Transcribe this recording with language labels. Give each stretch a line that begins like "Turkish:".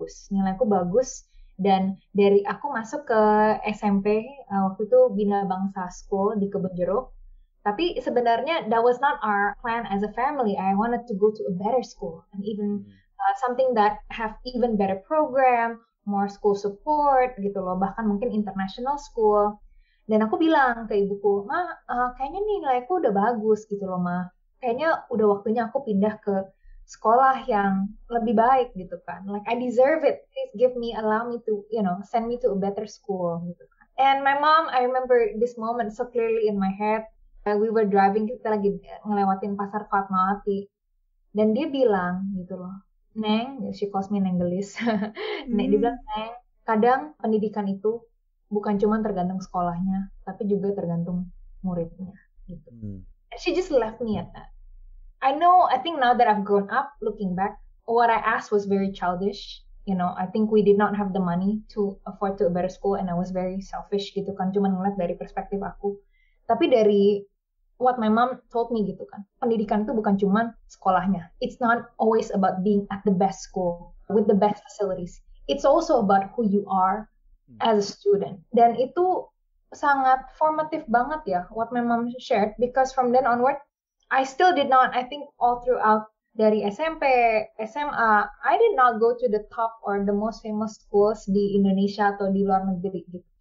Indonesian: Nilai aku bagus dan dari aku masuk ke SMP waktu itu Bina Bangsa School di Kebun Jeruk. Tapi sebenarnya
English: that was not our plan as a family. I wanted to go to a better school and even something that have even better program. More school support
Indonesian: gitu loh, bahkan mungkin
English: international school.
Indonesian: Dan aku bilang ke ibuku, "Ma, kayaknya nih nilaiku udah bagus gitu loh, Ma. Kayaknya udah waktunya aku pindah ke sekolah yang lebih baik gitu kan.
English: Like I deserve it. Please give me, allow me to, you know, send me to a better school gitu kan." And my mom, I remember this moment so clearly in my head. We were driving,
Indonesian: kita lagi ngelewatin pasar Fatmawati. Dan dia bilang gitu loh, "Neng,"
English: she calls me
Indonesian: Neng Gelis. Neng, dia bilang, "Neng, kadang pendidikan itu bukan cuma tergantung sekolahnya, tapi juga tergantung muridnya." Gitu.
English: She just left me at that. I know, I think now that I've grown up, looking back, what I asked was very childish. You know, I think we did not have the money to afford to a better school, and I was very selfish gitu kan,
Indonesian: cuma ngeliat dari perspektif aku. Tapi dari
English: what my mom told me
Indonesian: gitu kan, pendidikan itu bukan cuma sekolahnya.
English: It's not always about being at the best school with the best facilities. It's also about who you are as a student.
Indonesian: Dan itu sangat formative banget ya,
English: what my mom shared. Because from then onward, I still did not, I think all throughout
Indonesian: dari SMP, SMA,
English: I did not go to the top or the most famous schools
Indonesian: di Indonesia atau di luar negeri gitu.